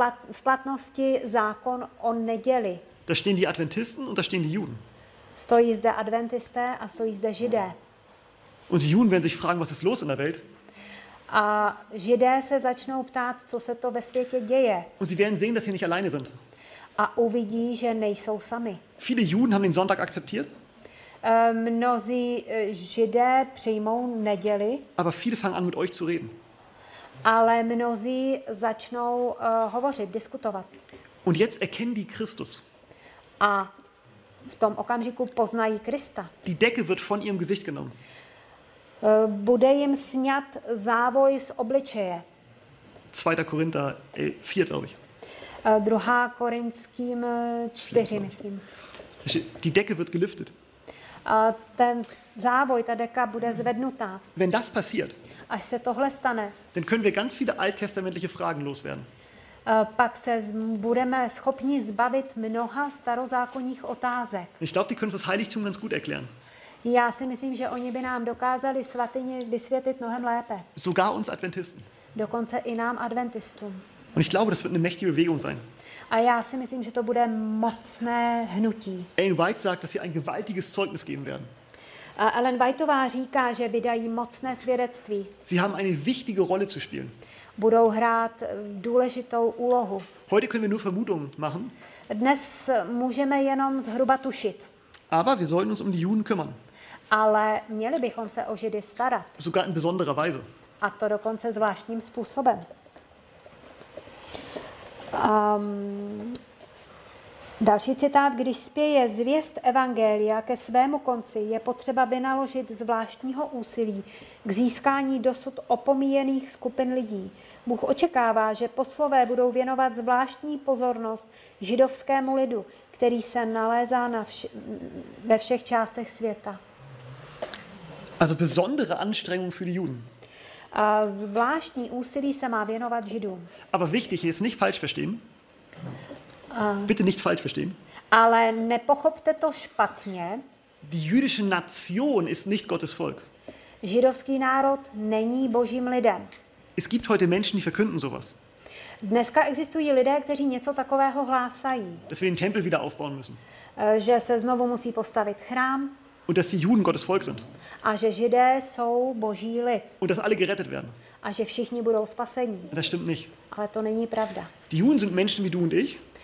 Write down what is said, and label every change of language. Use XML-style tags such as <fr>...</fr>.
<cs>V platnosti zákon o neděli.</cs> <de>Da stehen die Adventisten und da stehen die Juden.</de> <cs>Stojí zde Adventisté a stojí zde Židé.</cs> <de>Und die Juden werden sich fragen, was ist los in der Welt?</de> <cs>A Židé se začnou ptát, co se to ve světě děje.</cs> <de>Und sie werden sehen, dass sie nicht alleine sind.</de> <cs>A uvidí, že nejsou sami.</cs> <de>Viele Juden haben den Sonntag akzeptiert.</de> <cs>Mnozí Židé přijmou neděli.</cs> <de>Aber viele fangen an, mit euch zu reden.</de> <cs>Ale mnozí začnou hovořit, diskutovat.</cs> <de>Und jetzt erkennen die Christus.</de> <cs>A v tom okamžiku poznají Krista.</cs> <de>Die Decke wird von ihrem Gesicht genommen.</de> <cs>Bude jim snět závoj z obličeje.</cs> <de>2. Korinther 4, glaube ich.</de> <cs>2. Korinským 4, myslím.</cs> <de>Die Decke wird geliftet.</de> <cs>Ten závoj, ta deka bude zvednutá.</cs> <de>Wenn das passiert,</de> <cs>až se tohle stane,</cs> <de>dann können wir ganz viele alttestamentliche Fragen loswerden.</de> <cs>Pak se budeme schopni zbavit mnoha starozákonních otázek.</cs> <de>Ich glaube, die können das Heiligtum ganz gut erklären.</de> <cs>Já si myslím, že oni by nám dokázali svatyni vysvětlit mnohem lépe.</cs> <de>Sogar uns Adventisten.</de> <cs>Dokonce i nám Adventistům.</cs> <de>Und ich glaube, das wird eine mächtige Bewegung sein.</de> <cs>A já si myslím, že to bude mocné hnutí.</cs> <de>Ellen White sagt, dass sie ein gewaltiges Zeugnis geben werden.</de> <cs>A Ellen Whiteová říká, že vydají mocné svědectví.</cs> <de>Sie haben eine wichtige Rolle zu spielen.</de> <cs>Budou hrát důležitou úlohu.</cs> <de>Heute können wir nur Vermutungen machen.</de> <cs>Dnes můžeme jenom zhruba tušit.</cs> <de>Aber wir sollten uns um die Juden kümmern.</de> <cs>Ale měli bychom se o Židy starat.</cs> <de>Sogar in besonderer Weise.</de> <cs>A to dokonce zvláštním způsobem. Další citát, když spěje zvěst evangelia ke svému konci, je potřeba vynaložit zvláštního úsilí k získání dosud opomíjených skupin lidí. Bůh očekává, že poslové budou věnovat zvláštní pozornost židovskému lidu, který se nalézá ve všech částech světa.</cs> <de>Also besondere Anstrengung für die Juden.</de> <cs>A zvláštní úsilí se má věnovat Židům.</cs> <de>Aber wichtig ist, nicht falsch verstehen. Bitte nicht falsch verstehen.</de> <cs>Ale nepochopte to špatně.</cs> <de>Die jüdische Nation ist nicht Gottes Volk.</de> <cs>Židovský národ není Božím lidem.</cs> <de>Es gibt heute Menschen, die verkünden sowas.</de> <cs>Dneska existují lidé, kteří něco takového hlásají.</cs> <de>Dass wir den Tempel wieder aufbauen müssen.</de> <cs>Že se znovu musí postavit chrám.</cs> <de>Und dass die Juden Gottes Volk sind.</de> <cs>A že Židé jsou Boží lid.</cs> <de>Und dass alle gerettet werden.</de> <cs>A že všichni budou spasení.</cs> <de>Das stimmt nicht.</de> <cs>Ale to není pravda.</cs> <de>Die Juden sind Menschen wie du und ich.</de>